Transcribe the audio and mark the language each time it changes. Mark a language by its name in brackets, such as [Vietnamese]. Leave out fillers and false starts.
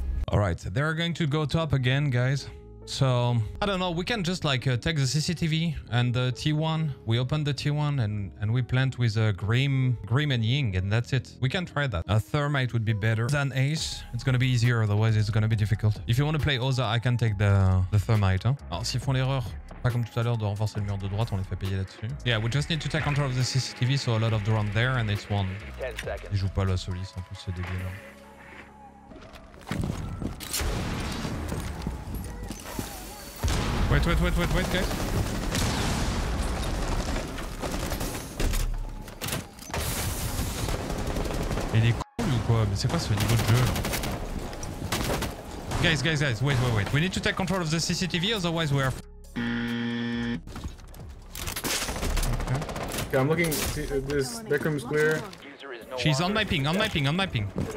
[English] Alright, they're going to go top again, guys. So, I don't know, we can just like take the CCTV and the T1. We open the T1 and we plant with Grim and Ying, and that's it. We can try that. A Thermite would be better than Ace. It's gonna be easier, otherwise it's gonna be difficult. If you want to play Oza, I can take the Thermite. Hein? [French] Alors, s'ils font l'erreur, pas comme tout à l'heure, de renforcer le mur de droite, on les fait payer là-dessus. [English] Yeah, we just need to take control of the CCTV, so a lot of drone there, and it's one. [French] Ils jouent pas la Solis en plus, c'est dégueulasse. Hein. [English] Wait, guys. [French] Mais il est cool ou quoi? Mais c'est quoi ce niveau de jeu là? [English] Guys, guys, guys, wait, wait, wait. We need to take control of the CCTV, otherwise we are f***ed. Okay, I'm looking. See, this bedroom is clear. She's on my ping, on my ping, on my ping.